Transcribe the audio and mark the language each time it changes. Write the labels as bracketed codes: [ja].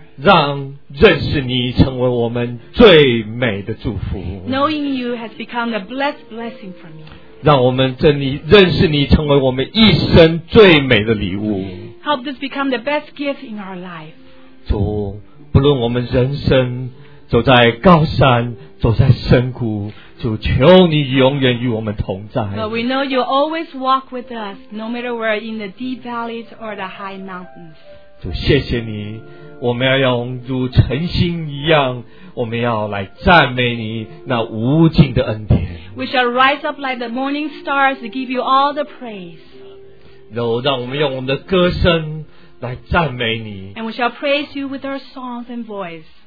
[zh] 让认识你成为我们最美的祝福。 [en] Knowing you has become a blessing for me. [zh] 让我们认识你成为我们一生最美的礼物。 [en] Help this become the best gift in our life. [zh] 主，不论我们人生走在高山，走在深谷，主求你永远与我们同在。 [en] But we know you always walk with us, no matter we're in the deep valleys or the high mountains. [zh] 主谢谢你，我们要用如晨星一样，我们要来赞美你那无尽的恩典。 [en] We shall rise up like the morning stars to give you all the praise. [zh] 让我们用我们的歌声来赞美你。 [en] And we shall praise you with our songs and voice.